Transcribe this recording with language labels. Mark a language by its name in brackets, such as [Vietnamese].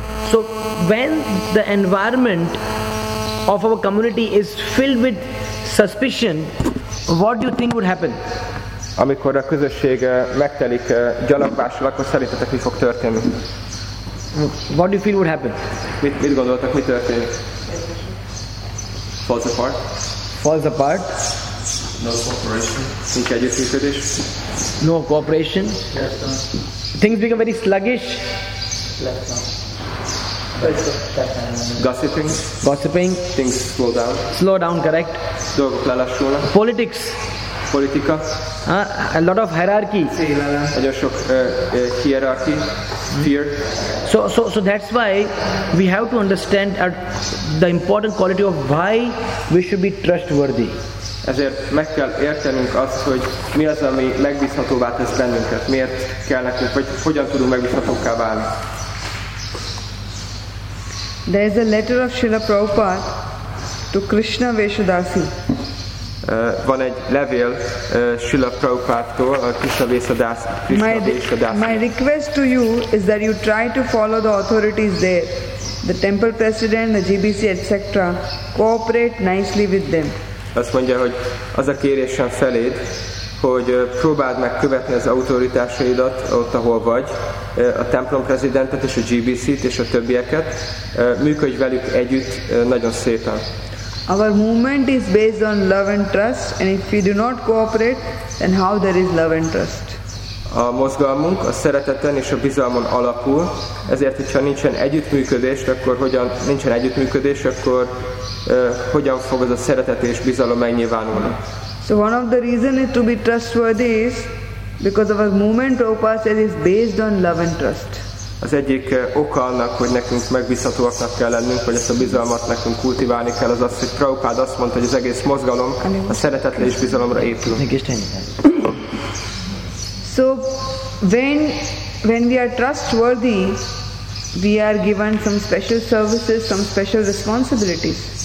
[English] So, when the environment of our community is filled with suspicion, what do you think would happen? [Hungarian] Amikor a közösség megtelik gyanakvással, akkor szerintetek mi fog történni? [English] What do you feel would happen? [Hungarian] Mit gondoltak, mi történik? [English] Falls apart. Falls apart. No cooperation. [Hungarian] Nincs együttműködés. [English] No cooperation. Yes, sir. Things become very sluggish. Gossiping. Gossiping. Things slow down. Slow down, correct. [Hungarian] Dolgok lelassulnak. [English] Politics. [Hungarian] Politika. [English] A lot of hierarchy. [Hungarian] Nagyon sok hierarchy. [English] Fear. So that's why we have to understand the important quality of why we should be trustworthy. [Hungarian] Ezért meg kell értenünk azt, hogy mi az, ami megbízhatóvá tesz bennünket. Miért kell nekünk, vagy hogyan tudunk megbízhatóvá válni. [English] There is a letter of Srila Prabhupada to Krishna Vesudasi. [Hungarian] Van egy levél Srila Prabhupádtól a Krishna Vesudasi. [English] My request to you is that you try to follow the authorities there. The temple president, the GBC, etc. Cooperate nicely with them. [Hungarian] Azt mondja, hogy az a kérésem feléd, hogy próbáld meg követni az autoritásaidat ott, ahol vagy, a templom prezidentet és a GBC-t és a többieket. Működj velük együtt nagyon szépen. [English] Our movement is based on love and trust, and if we do not cooperate, then how there is love and trust? [Hungarian] a mozgalmunk a szereteten és a bizalmon alapul, ezért, hogyha nincsen együttműködés, akkor hogyan nincsen együttműködés, akkor hogyan fog ez a szeretet és bizalom megnyilvánulni? [English] So one of the reason is to be trustworthy is because of a movement Prabhupada says is based on love and trust. [Hungarian] Az egyik oka annak, hogy nekünk megbízhatóaknak kell lennünk, hogy ezt a bizalmat nekünk kultiválni kell, az, hogy Prabhupada azt mondta, hogy az egész mozgalom a szeretetre és bizalomra épül. [English] So when we are trustworthy, we are given some special services, some special responsibilities.